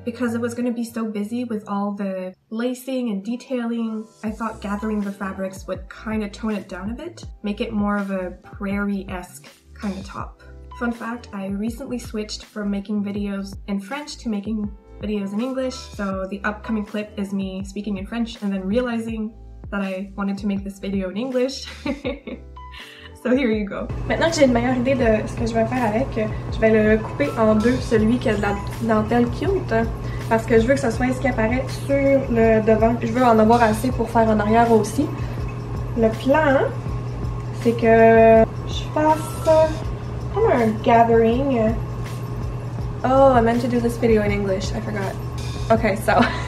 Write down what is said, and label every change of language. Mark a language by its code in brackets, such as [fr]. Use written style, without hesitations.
[en] Because it was going to be so busy with all the lacing and detailing, I thought gathering the fabrics would kind of tone it down a bit, make it more of a prairie-esque kind of top. Fun fact, I recently switched from making videos in French to making videos in English, so the upcoming clip is me speaking in French and then realizing that I wanted to make this video in English. So here you go. [fr] Maintenant que j'ai une meilleure idée de ce que je vais faire avec, je vais le couper en deux, celui qui a de la dentelle cute, parce que je veux que ce soit ce qui apparaît sur le devant. Je veux en avoir assez pour faire en arrière aussi. Le plan, c'est que je fasse comme un gathering. [en] Oh, I meant to do this video in English. I forgot. Okay, so.